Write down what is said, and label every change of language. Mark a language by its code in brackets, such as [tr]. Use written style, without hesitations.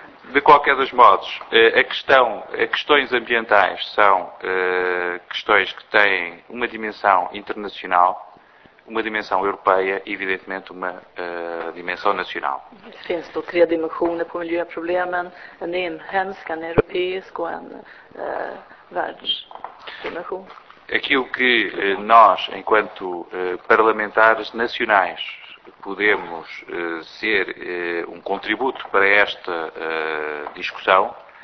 [pt] De qualquer dos modos, as questões ambientais são questões que têm uma dimensão internacional, uma dimensão europeia e, evidentemente, uma dimensão nacional. [sv] Finns då tre dimensioner på miljöproblemen, en inhemsk, en europeisk och en världsdimension. [pt] Aquilo que nós, enquanto parlamentares nacionais, podemos ser um contributo para esta discussão.